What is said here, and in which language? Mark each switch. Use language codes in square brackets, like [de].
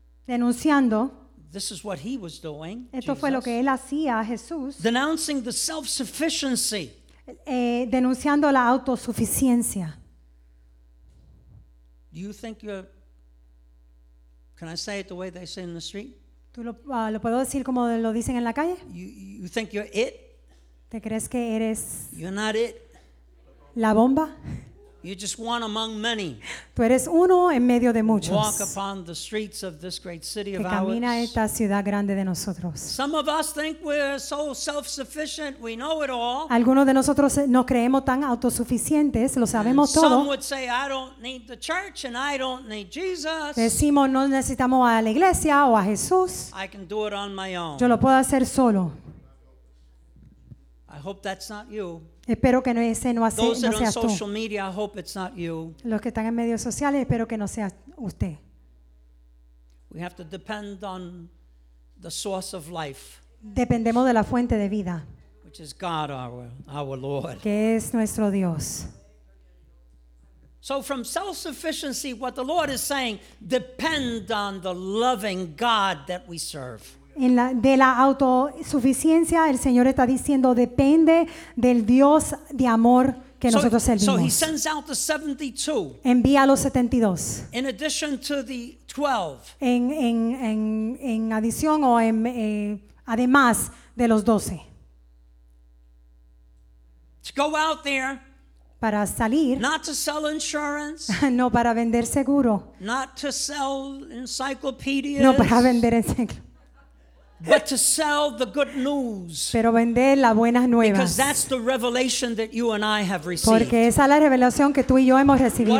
[es] Denunciando. [en] This is what he was doing. [es] Esto [en] Jesus. [es] Fue lo que él hacía, Jesús. [en] Denouncing the self-sufficiency. Denunciando la autosuficiencia. Do you think you're? Can I say it the way they say in the street? [es] ¿Tú lo puedo decir como lo dicen en la calle? [en] You think you're it? [es] ¿Te crees que eres? [en] You're not it. [es] La bomba. [en] You're just one among many. [es] Tú eres uno en medio de muchos. [en] Walk upon the streets of this great city of ours. [es] Que camina esta ciudad grande de nosotros. [en] Some of us think we're so self-sufficient, we know it all. [es] Algunos de nosotros nos creemos tan autosuficientes, lo sabemos todo. [en] Some would say, I don't need the church and I don't need Jesus. [es] Decimos, no necesitamos a la iglesia o a Jesús. [en] I can do it on my own. [es] Yo lo puedo hacer solo. [en] I hope that's not you. [es] Espero que ese no seas tú. [en] Those that are on social media, I hope it's not you. [es] Los que están en medios sociales, espero que no seas usted. [en] We have to depend on the source of life. [es] Dependemos de la fuente de vida. [en] Which is God, our Lord. [es] Que es nuestro Dios. [en] So from self-sufficiency, what the Lord is saying, depend on the loving God that we serve. [es] En la, de la autosuficiencia, el Señor está diciendo, depende del Dios de amor que nosotros servimos. [en] So he sends out the 72. [es] Envía a los 72. [en] In addition to the 12. [es] En adición o en, además de los 12. [en] To go out there. [es] Para salir, [en] not to sell insurance, [es] no para vender seguro, [en] not to sell encyclopedias, [es] no para vender enciclopedias, [en] but to sell the good news, [es] pero vender la buena nueva, [en] because that's the revelation that you and I have received. [es] Porque esa es la revelación que tú y yo hemos recibido.